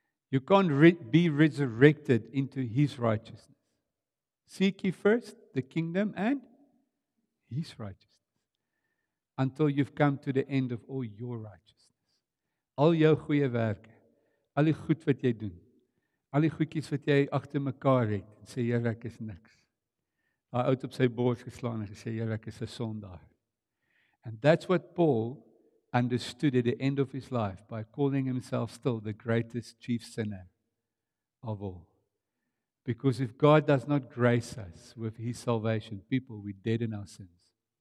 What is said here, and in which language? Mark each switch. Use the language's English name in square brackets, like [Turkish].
[English] You can't be resurrected into His righteousness. Seek ye first the kingdom and His righteousness. Until you've come to the end of all your righteousness. [Afrikaans] Al jou goeie werke, al die goed wat jy doen, al die goedjies wat jy agter mekaar het, sê Here, ek is niks. Hy oud op sy bors geslaan en gesê, Here, ek is 'n sondaar. [English] And that's what Paul understood at the end of his life by calling himself still the greatest chief sinner of all. Because if God does not grace us with His salvation, people, we're dead in our sins.